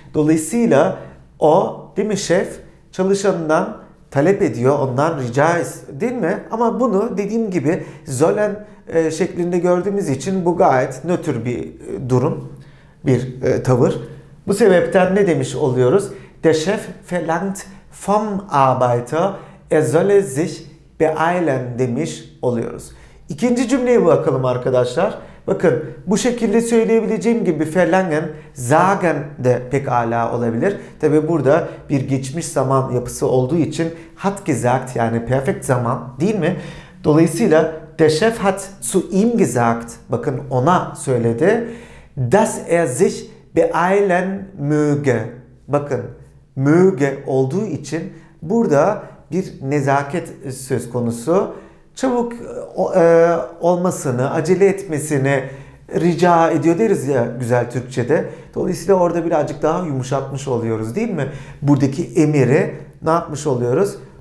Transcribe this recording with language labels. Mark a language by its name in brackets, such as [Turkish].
[Turkish] Dolayısıyla o, değil mi şef, çalışanından talep ediyor, ondan rica ediyor değil mi? Ama bunu dediğim gibi sollen şeklinde gördüğümüz için bu gayet nötr bir durum, bir tavır. Bu sebepten ne demiş oluyoruz? [German] Der Chef verlangt vom Arbeiter, er solle sich beeilen [Turkish] demiş oluyoruz. İkinci cümleye bakalım arkadaşlar. Bakın, bu şekilde söyleyebileceğim gibi verlangen, sagen de pekala olabilir. Tabi burada bir geçmiş zaman yapısı olduğu için [German] hat gesagt, [Turkish] yani perfect zaman değil mi? Dolayısıyla [German] der Chef hat zu ihm gesagt, [Turkish] bakın ona söyledi, [German] dass er sich beeilen möge. [Turkish] Bakın, möge olduğu için burada bir nezaket söz konusu. Çabuk olmasını, acele etmesini rica ediyor deriz ya güzel Türkçe'de. Dolayısıyla orada birazcık daha yumuşatmış oluyoruz değil mi? Buradaki emiri ne yapmış oluyoruz?